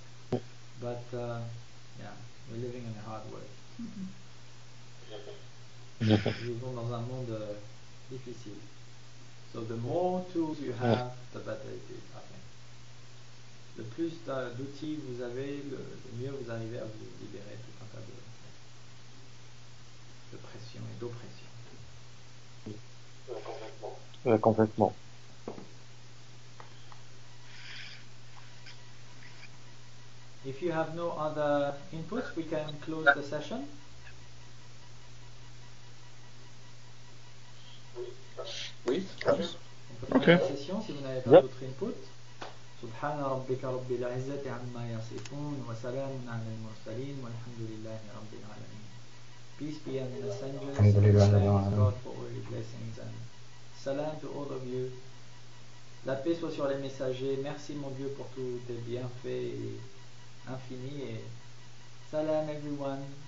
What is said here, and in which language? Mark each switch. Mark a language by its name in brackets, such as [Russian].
[English] But, yeah, we're living in a hard world. [French] Vivons dans un monde difficile. [English] So the more tools you have, the better it is, I think. [French] Le plus d'outils vous avez, le mieux vous arrivez à vous libérer tout un tas de pression et d'oppression. Complètement. [English] If you have no other inputs, we can close the session. [French] Oui, [English] okay. [French] La session, si vous n'avez pas yep. d'autres inputs. [Arabic] سبحان ربك رب العزة عما يصفون وسلام على المرسلين والحمد لله رب العالمين. [English] Peace be on the messengers. [Arabic] الحمد لله رب العالمين. [English] God for all your blessings and salam to all of you. [French] La paix soit sur les messagers. Merci mon Dieu pour tous tes bienfaits infinis et salam everyone.